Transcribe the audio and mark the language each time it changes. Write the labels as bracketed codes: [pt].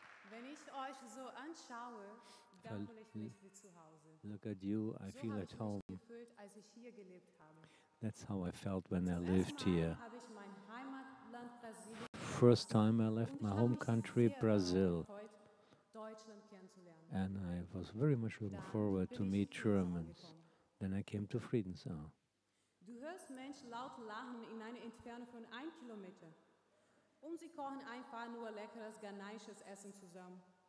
[de] Wenn ich euch so anschaue, dann fühle ich mich wie zu Hause. [en] Look at you, I feel at home. [de] So habe ich mich gefühlt, als ich hier gelebt habe. [en] That's how I felt when I lived here. [de] Habe ich mein Heimatland Brasilien. [en] First time I left my home country, Brazil. [de] Deutschland kennenzulernen. [en] And I was very much looking forward to meet Germans. Then I came to Friedensau. [de] Du hörst Menschen laut lachen in einer Entfernung von 1 Kilometer. Und sie kochen einfach nur leckeres ghanaisches Essen zusammen.